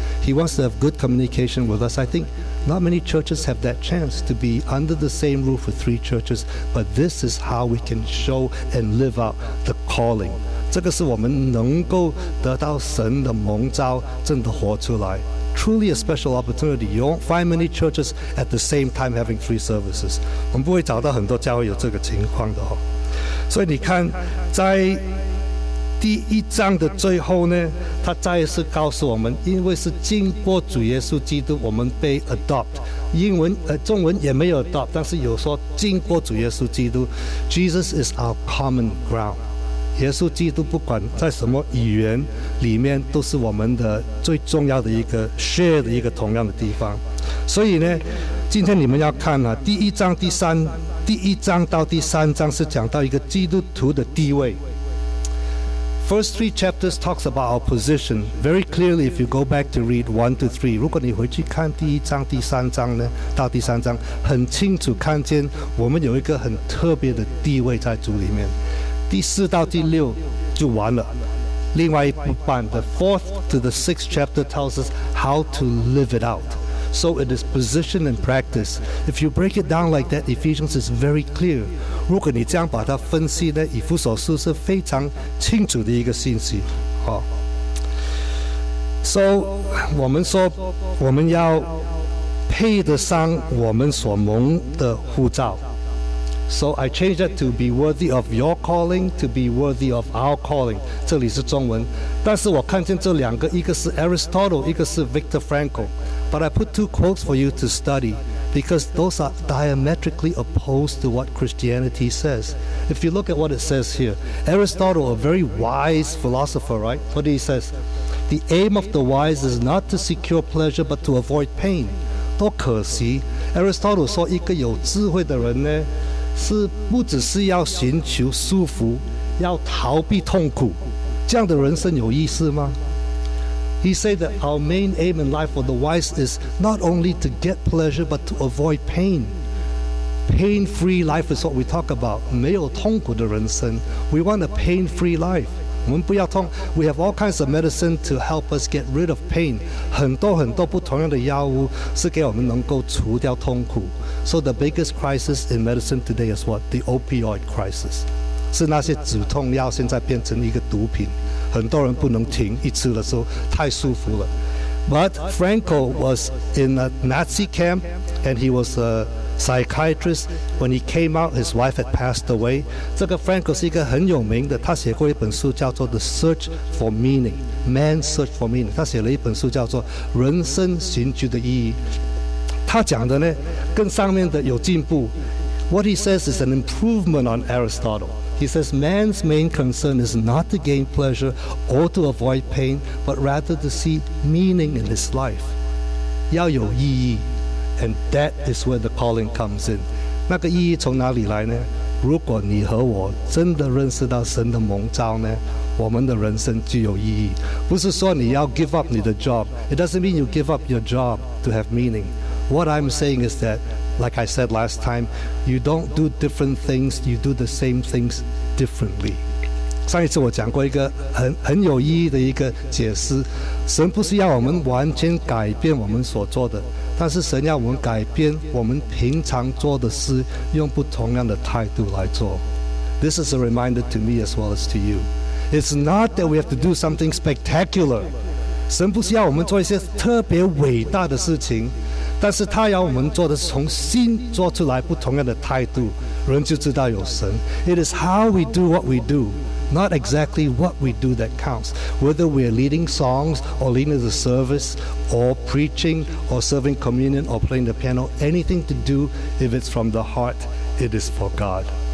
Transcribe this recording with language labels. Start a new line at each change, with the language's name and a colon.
English: He wants to have good communication with us. I think not many churches have that chance to be under the same roof with three churches, but this is how we can show and live out the calling.
Chinese: 这个是我们能够得到神的蒙召，真的活出来。
English: Truly a special opportunity. You won't find many churches at the same time having three services.
Chinese: 我们不会找到很多教会有这个情况的哦。所以你看，在第一章的最后呢，他再一次告诉我们，因为是经过主耶稣基督，我们被 adopt。英文中文也没有 adopt， 但是有说经过主耶稣基督 ，
English: Jesus is our common ground。
Chinese: 耶稣基督不管在什么语言里面，都是我们的最重要的一个 share 的一个同样的地方。所以呢，今天你们要看啊，第一章到第三章是讲到一个基督徒的地位。
English: First three chapters talks about our position very clearly. If you go back to read 1 to 3,
Chinese: 如果你回去看第一章、第三章呢，到第三章，很清楚看见我们有一个很特别的地位在主里面。第四到第六就完了。另外一半
English: ，the fourth to the sixth chapter tells us how to live it out. So it is position and practice. If you break it down like that, Ephesians is very clear.
Chinese: 如果你这样把它分析呢，以弗所书是非常清楚的一个信息。好、oh. ，So 我们说我们要配得上我们所蒙的护照。
English: So I change that to be worthy of your calling, to be worthy of our calling.
Chinese: 这里是中文，但是我看见这两个，一个是 Aristotle， 一个是 Viktor Frankl.
English: But I put two quotes for you to study because those are diametrically opposed to what Christianity says. If you look at what it says here, Aristotle, a very wise philosopher, right? What he says, the aim of the wise is not to secure pleasure but to avoid pain.
Chinese: 多可惜 ，Aristotle 说一个有智慧的人呢。是不只是要寻求舒服，要逃避痛苦，这样的人生有意思吗？
English: He said that our main aim in life for the wise is not only to get pleasure but to avoid pain. Pain-free life is what we talk about.
Chinese: 没有痛苦的人生。
English: We want a pain-free life.
Chinese: 我们不要痛。
English: We have all kinds of medicine to help us get rid of pain.
Chinese: 很多很多不同样的药物是给我们能够除掉痛苦。
English: So the biggest crisis in medicine today is what? The opioid crisis.
Chinese: 是那些止痛药现在变成一个毒品，很多人不能停，一吃了之后太舒服了。
English: But Frankl was in a Nazi camp, and he was a psychiatrist. When he came out, his wife had passed away.
Chinese: 这个 Frankl 是一个很有名的，他写过一本书叫做《The Search for Meaning》，Man's Search for Meaning。他写了一本书叫做《人生寻求的意义》。他讲的呢，跟上面的有进步。
English: What he says is an improvement on Aristotle. He says man's main concern is not to gain pleasure or to avoid pain, but rather to see meaning in his life.
Chinese: 要有意义
English: ，and that is where the calling comes in.
Chinese: 那个意义从哪里来呢？如果你和我真的认识到神的蒙召呢？我们的人生具有意义，不是说你要
English: give up
Chinese: 你的 job.
English: It doesn't mean you give up your job to have meaning. What I'm saying is that, like I said last time, you don't do different things, you do the same things differently.
Chinese: 上一次我讲过一个 很有意义的一个解释，神不是要我们完全改变我们所做的，但是神要我们改变我们平常做的事，用不同样的态度来做。
English: This is a reminder to me as well as to you. It's not that we have to do something spectacular.
Chinese: 神不是要我们做一些特别伟大的事情，但是他要我们做的是从心做出来不同样的态度，人就知道有神。
English: It is how we do what we do, not exactly what we do that counts. Whether we're leading songs or leading the service or preaching or serving communion or playing the piano, anything to do, if it's from the heart, it is for God.